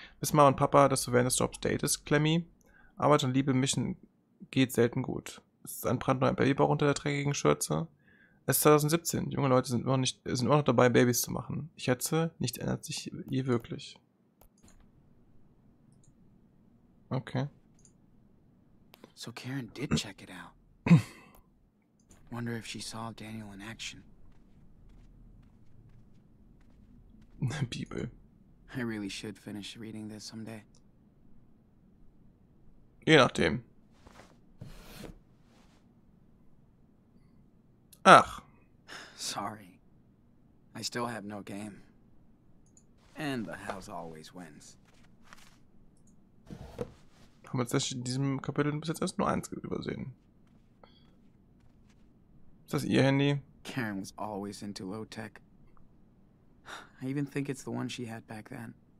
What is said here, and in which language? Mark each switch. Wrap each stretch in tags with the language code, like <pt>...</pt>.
<de>Wiss Mama und Papa, dass du während des Jobs datest, Clemmy. Arbeit und Liebe mischen geht selten gut. Ist es ein brandneuer Babybauch unter der dreckigen Schürze? Es ist 2017. Junge Leute sind immer noch dabei, Babys zu machen. Ich schätze, nichts ändert sich je wirklich. Okay.</de> <en>So Karen did check it out. Wonder if she saw Daniel in action.</en> <de>Bibel.</de> <en>I really should finish reading this someday.</en> <de>Je nachdem. Ach.</de> <en>Sorry. I still have no game. And the house always wins.</en> <de>Haben wir tatsächlich in diesem Kapitel bis jetzt erst nur eins übersehen. Ist das ihr Handy?</de> <en>Karen was always into low-tech. I even think it's the one she had back then.</en>